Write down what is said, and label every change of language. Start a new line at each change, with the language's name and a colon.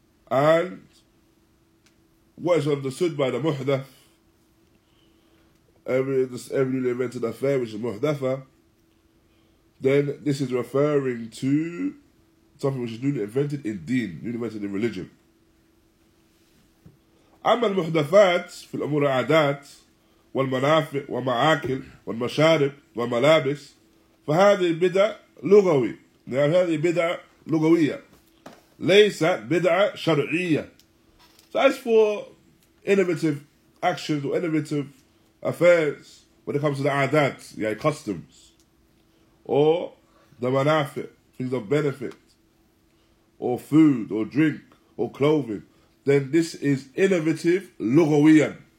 English: And what is understood by the muhdath, every newly invented affair, which is muhdatha, then this is referring to something which is newly invented in deen, newly invented in religion.
Arabic: أما المحدثات في الأمور العادات والمنافع ومعاكل والمشارب والملابس فهذه بدعة لغوي. Now, هذه بدعة لغوية ليست بدعة شرعية.
English: So as for innovative actions or innovative affairs when it comes to the adat, yeah, customs, or the manafi, things of benefit, or food, or drink, or clothing, then this is innovative lugawiyan.